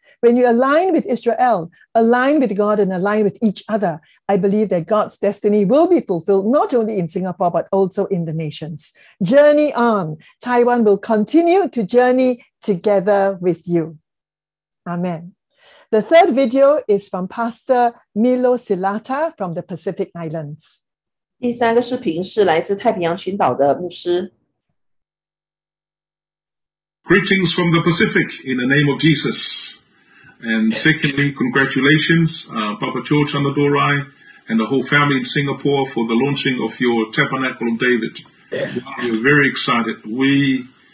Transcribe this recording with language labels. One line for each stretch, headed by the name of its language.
English: When you align with Israel, align with God and align with each other, I believe that God's destiny will be fulfilled not only in Singapore, but also in the nations. Journey on. Taiwan will continue to journey together with you. Amen. The third video is from Pastor Milo Silata from the Pacific Islands.
Chinese: 第三个视频是来自太平洋群岛的牧师。
English: Greetings from the Pacific in the name of Jesus. And secondly, congratulations, Papa George Annadorai and the whole family in Singapore for the launching of your Tabernacle of David. We are very excited. We